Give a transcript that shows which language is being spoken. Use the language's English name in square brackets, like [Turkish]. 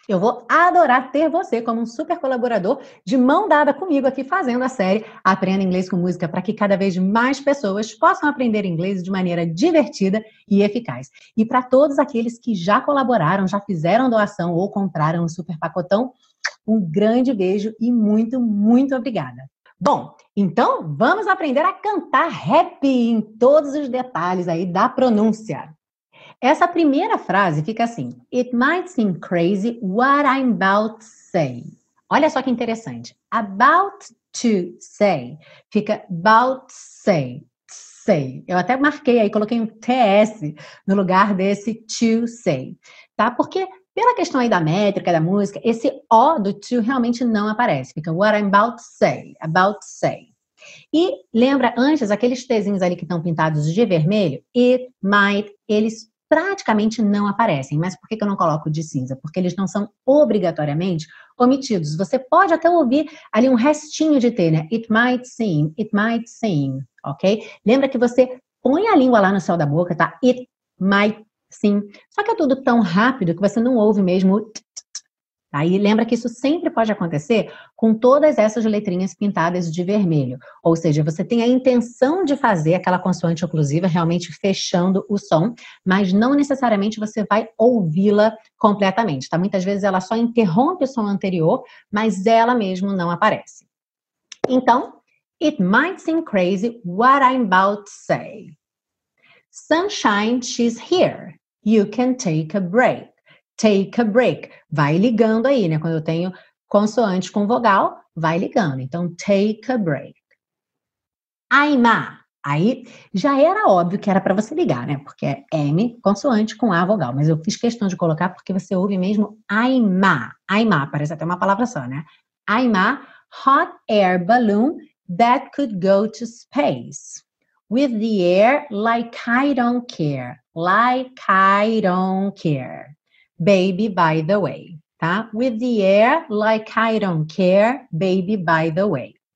[Portuguese] Eu vou adorar ter você como um super colaborador de mão dada comigo aqui fazendo a série Aprenda Inglês com Música para que cada vez mais pessoas possam aprender inglês de maneira divertida e eficaz. E para todos aqueles que já colaboraram, já fizeram doação ou compraram o super pacotão, um grande beijo e muito, muito obrigada. Bom, então vamos aprender a cantar rap em todos os detalhes aí da pronúncia. Essa primeira frase fica assim: [English] It might seem crazy what I'm about to say. [Portuguese] Olha só que interessante. [English] About to say fica about say. Say. [Portuguese] Eu até marquei aí, coloquei um TS no lugar desse [English] to say. [Portuguese] Tá? Porque pela questão aí da métrica, da música, esse O do to realmente não aparece. [English] Fica what I'm about to say. About to say. [Portuguese] E lembra antes aqueles Tzinhos ali que estão pintados de vermelho? [English] It might, [Portuguese] eles praticamente não aparecem. Mas por que eu não coloco de cinza? Porque eles não são obrigatoriamente omitidos. Você pode até ouvir ali um restinho de T, né? [English] It might seem, [Portuguese] ok? Lembra que você põe a língua lá no céu da boca, tá? [English] It might seem. [Portuguese] Só que é tudo tão rápido que você não ouve mesmo o t-t-t. Tá? E lembra que isso sempre pode acontecer com todas essas letrinhas pintadas de vermelho. Ou seja, você tem a intenção de fazer aquela consoante oclusiva realmente fechando o som, mas não necessariamente você vai ouvi-la completamente. Tá? Muitas vezes ela só interrompe o som anterior, mas ela mesmo não aparece. [English] Então, it might seem crazy what I'm about to say. Sunshine, she's here. You can take a break. Take a break. [Portuguese] Vai ligando aí, né? Quando eu tenho consoante com vogal, vai ligando. [English] Então, take a break. Aima. [Portuguese] Aí, já era óbvio que era para você ligar, né? Porque é M, consoante com A vogal. Mas eu fiz questão de colocar porque você ouve mesmo Aima. Aima, parece até uma palavra só, né? [English] Aima, hot air balloon that could go to space. With the air, like I don't care. Like I don't care. Baby, by the way, tá? With the air, like I don't care, baby, by the way.